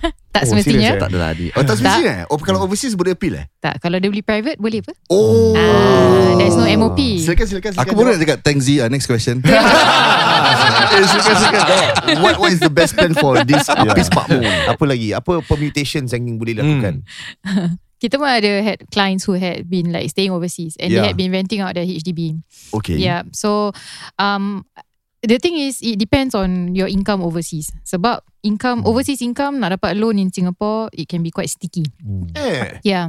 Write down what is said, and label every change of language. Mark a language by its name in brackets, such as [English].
[Malay] Tak semestinya. Tak adalah adik. Oh, tak semestinya eh? Oh, kalau overseas boleh appeal eh? Tak, kalau dia beli private boleh apa? Oh. [English] There's no MOP. [Malay] Silakan. Aku boleh nak cakap, [English] thanks Z, next question. [Malay] Silakan. [English] What is the best plan for this Hafiz Pak Mor? [Malay] Apa lagi? Apa permutations yang boleh lakukan? Kita pun ada [English] had clients who had been like staying overseas and they had been renting out their HDB. Okay. Yeah. So, the thing is, it depends on your income overseas. Sebab income, overseas income, [Malay] nak dapat [English] loan in Singapore, it can be quite sticky. Yeah.